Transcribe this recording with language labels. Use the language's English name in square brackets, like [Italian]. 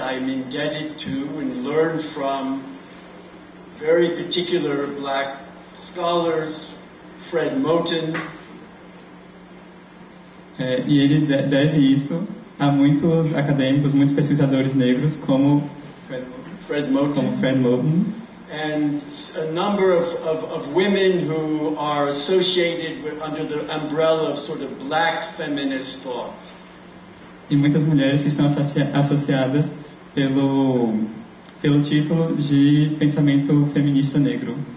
[English] I'm indebted to and learn from very particular black scholars, Fred Moten. [Portuguese] E ele deve isso a muitos acadêmicos, muitos pesquisadores negros, como Fred Moten. Como Fred Moten. [English] And a number of women who are associated with, under the umbrella of sort of black feminist thought. [Portuguese] E muitas mulheres que estão associadas pelo título de pensamento feminista negro.